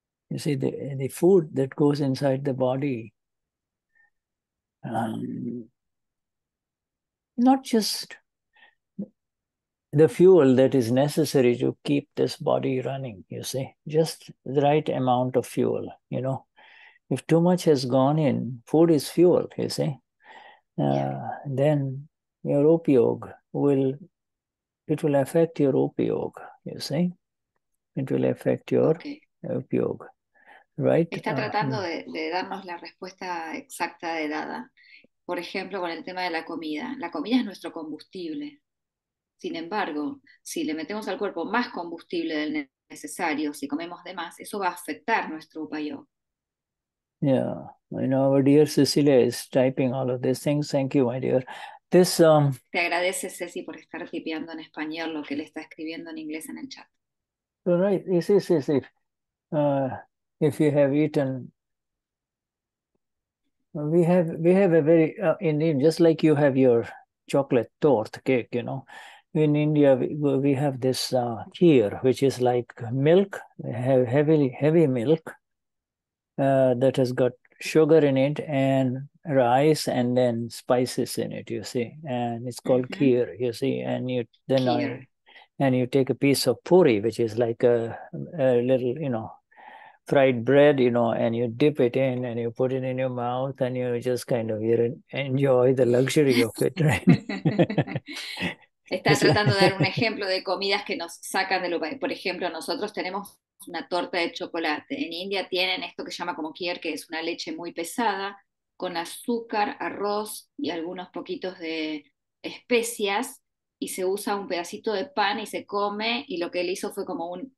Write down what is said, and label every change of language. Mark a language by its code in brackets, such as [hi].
[en] You see, the food that goes inside the body, not just the fuel that is necessary to keep this body running, you see, just the right amount of fuel, you know. If too much has gone in, food is fuel, you see, then your upayog will affect your upayog, you see. It will affect your okay. upayog. right? [es] Está tratando de darnos la respuesta exacta de Dada. Por ejemplo, con el tema de la comida. La comida es nuestro combustible. Sin embargo, si le metemos al cuerpo más combustible del necesario, si comemos de más, eso va a afectar nuestro upayo. [en] Yeah, you know, our dear Cecilia is typing all of these things. Thank you, my dear. [es] Te agradece, Ceci, por estar tipeando en español lo que le está escribiendo en inglés en el chat. [en] All right, this is as if you have eaten. We have a very in India, just like you have your chocolate tort cake, you know. In India, we have this kheer, which is like milk, heavy milk that has got sugar in it and rice and then spices in it, you see. And it's called kheer, you see. And you take a piece of puri, which is like a little, you know, fried bread, you know, and you dip it in and you put it in your mouth and you just kind of enjoy the luxury of it, right? [es] Está [en] It's [es] tratando [en] like... [es] de dar un ejemplo de comidas que nos sacan de lo... Por ejemplo, nosotros tenemos una torta de chocolate. En India tienen esto que se llama como kheer, que es una leche muy pesada, con azúcar, arroz y algunos poquitos de especias, y se usa un pedacito de pan y se come, y lo que él hizo fue como un...